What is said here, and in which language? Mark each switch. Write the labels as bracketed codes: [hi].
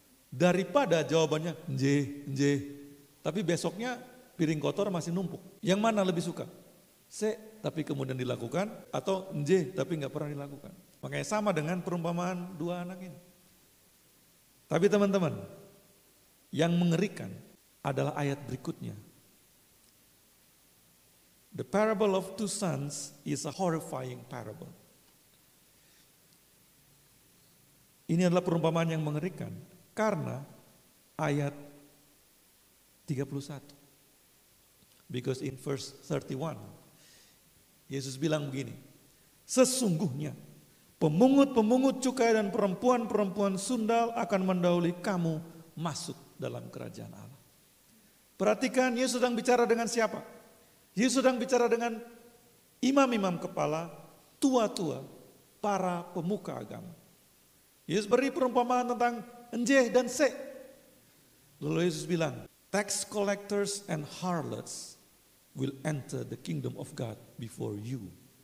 [id] Daripada jawabannya nje. Tapi besoknya piring kotor masih numpuk. Yang mana lebih suka? Se, tapi kemudian dilakukan. Atau nje, tapi gak pernah dilakukan. Makanya sama dengan perumpamaan dua anak ini. Tapi teman-teman, yang mengerikan adalah ayat berikutnya. [en] The parable of two sons is a horrifying parable. [id] Ini adalah perumpamaan yang mengerikan. Karena ayat 31. [en] Because in verse 31, [id] Yesus bilang begini. Sesungguhnya, pemungut-pemungut cukai dan perempuan-perempuan sundal akan mendahului kamu masuk dalam kerajaan Allah. Perhatikan, Yesus sedang bicara dengan siapa? Yesus sedang bicara dengan imam-imam kepala, tua-tua, para pemuka agama. Yesus beri perumpamaan tentang enjeh dan se. Lalu Yesus bilang, [en] tax collectors and harlots will enter the kingdom of God before you.